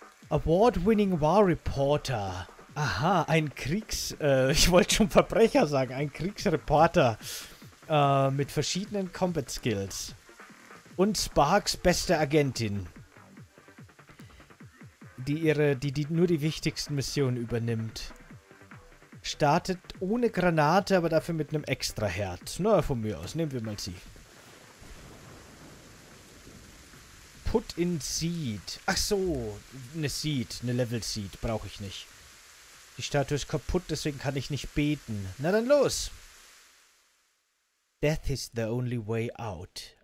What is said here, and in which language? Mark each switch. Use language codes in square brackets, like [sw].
[en] Award-winning War Reporter. [de] Aha, ein Kriegs... ich wollte schon Verbrecher sagen. Ein Kriegsreporter. Mit verschiedenen Combat Skills. Und Sparks beste Agentin. Die ihre... Die nur die wichtigsten Missionen übernimmt. Startet ohne Granate, aber dafür mit einem extra Herd. Naja, von mir aus. Nehmen wir mal sie. [en] Put in Seed. [de] Ach so, eine Seed, eine Level Seed. Brauche ich nicht. Die Statue ist kaputt, deswegen kann ich nicht beten. Na dann los! [en] Death is the only way out.